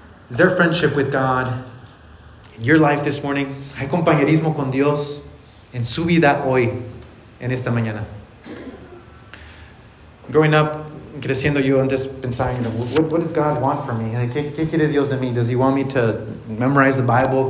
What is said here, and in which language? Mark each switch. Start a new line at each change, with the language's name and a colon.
English: Is there friendship with God in your life this morning?
Spanish: ¿Hay compañerismo con Dios en su vida hoy? En esta mañana.
English: Growing up,
Spanish: creciendo yo, antes pensaba,
English: you know, what does God want from me?
Spanish: ¿Qué quiere Dios de mí?
English: Does he want me to memorize the Bible?